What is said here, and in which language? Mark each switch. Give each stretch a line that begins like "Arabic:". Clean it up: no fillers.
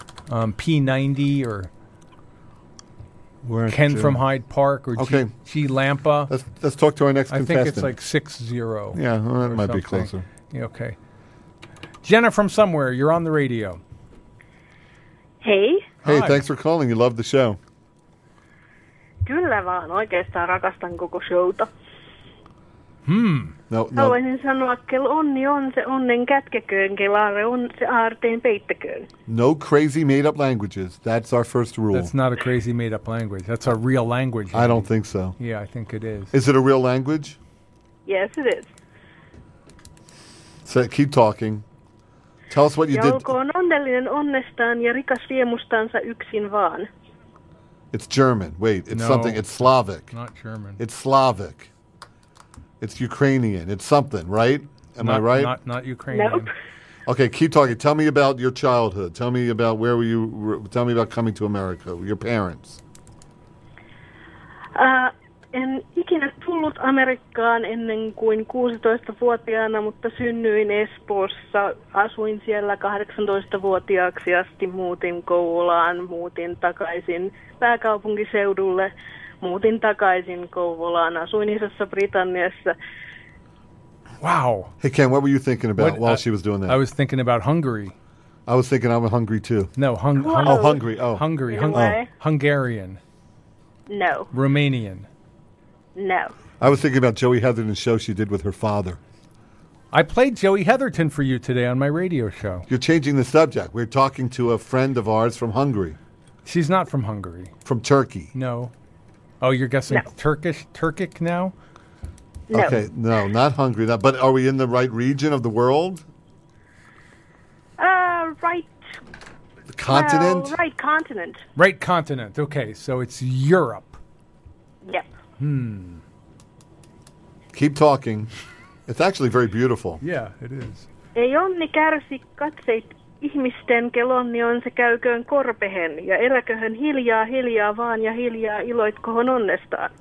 English: P90 or Where's Ken from Hyde Park or okay. G Lampa? Let's talk to our next contestant. I think it's like 6-0. Yeah, well, that might be closer. Yeah, okay. Jenna from somewhere, you're on the radio. Hey. Hey, Hi. Thanks for calling. You love the show.
Finnish: Kyllä vaan, oikeastaan rakastan koko showta. Hmm.
English: No.
Finnish: Haluaisin sanoa, kello onni on, se onnen kätkeköön, kelaare on, se aarteen peittäköön.
English: No crazy made-up languages. That's our first rule. That's not a crazy made-up language. That's a real language. I don't think so. Yeah, I think it is. Is it a real language? Yes, it is. So keep talking. Tell us what you did.
Finnish: Ja olkoon onnellinen onnestaan ja rikas riemustansa yksin vaan.
English: It's German. Wait, it's no, something. It's Slavic. Not German. It's Slavic. It's Ukrainian. It's something, right? Am not, I right? Not Ukrainian. Nope. Okay, keep talking. Tell me about your childhood. Tell me about where were you. Tell me about coming to America. Your parents.
Finnish: En ikinä tullut Amerikkaan ennen kuin 16-vuotiaana, mutta synnyin Espoossa. Asuin siellä 18-vuotiaaksi asti, muutin Kouvolaan, muutin takaisin pääkaupunkiseudulle, muutin takaisin Kouvolaan, asuin Isossa Britanniassa.
English: Wow. Hey Ken, what were you thinking about while she was doing that? I was thinking about Hungary. I was thinking I'm hungry too. No, Hungary. Oh. Hungary. Hungarian. No. Romanian. No. I was thinking about Joey Heatherton's show she did with her father. I played Joey Heatherton for you today on my radio show. You're changing the subject. We're talking to a friend of ours from Hungary. She's not from Hungary. From Turkey. No. Oh, you're guessing Turkish, Turkic now? No. Okay, no, not Hungary. Not, but are we in the right region of the world? Right. The continent? Well, right continent. Right continent. Okay, so it's Europe. Yep. Keep talking. It's actually very beautiful. Yeah, it is.
Finnish: Ei onni kärsi katseit ihmisten, kelonni on se käyköön korpehen, ja eläköhön hiljaa, hiljaa vaan, ja hiljaa iloitkohon onnestaan.